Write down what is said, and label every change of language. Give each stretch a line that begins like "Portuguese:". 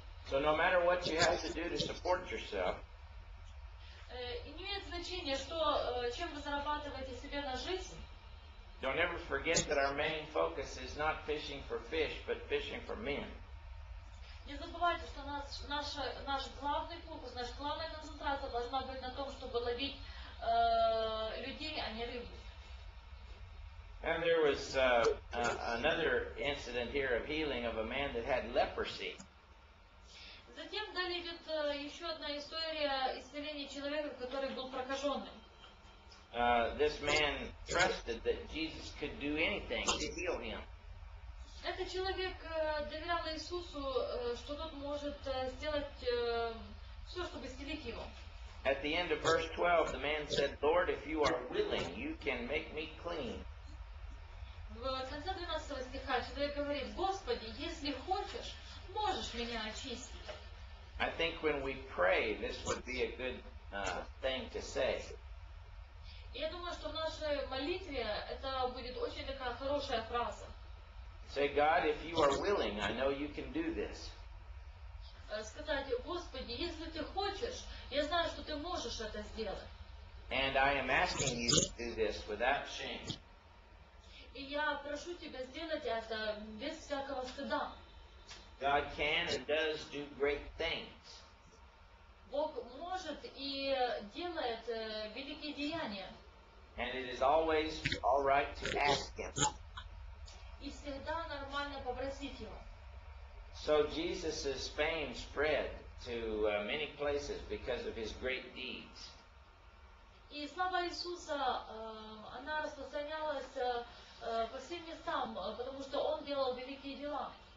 English: So no matter what you have to do to support yourself,
Russian: не имеет значения, что, чем вы зарабатываете себе на жизнь.
English: Don't ever forget that our main focus is not fishing for fish, but fishing for men.
Russian: Не забывайте, что наш главный фокус, наша главная концентрация должна быть на том, чтобы ловить людей, а не рыбу.
English: And there was another incident here of healing of a man that had leprosy.
Russian: Затем далее идет еще одна история исцеления человека, который был прокаженным.
English: This man trusted that Jesus could do anything to heal him.
Russian: Этот человек доверял Иисусу, что тот может сделать все, чтобы исцелить его.
English: At the end of verse 12, the man said, Lord, if you are willing, you can make me clean.
Russian: В конце 12 стиха человек говорит, Господи, если хочешь, можешь меня очистить.
English: I think when we pray, this would be a good thing to say.
Russian: Я думаю, что в нашей молитве это будет очень такая хорошая фраза.
English: Say, God, if you are willing, I know you can do this.
Russian: Сказать, Господи, если ты хочешь, я знаю, что ты можешь это сделать.
English: And I am asking you to do this without shame.
Russian: И я прошу тебя сделать это без всякого стыда.
English: God can and does do great things.
Russian: Бог может и делает великие деяния.
English: And it is always all right to ask Him.
Russian: И всегда нормально попросить Его.
English: So So Jesus' fame spread to many places because of his great deeds.
Russian: И слава Иисуса, она распространялась по всем местам, потому что он делал великие дела.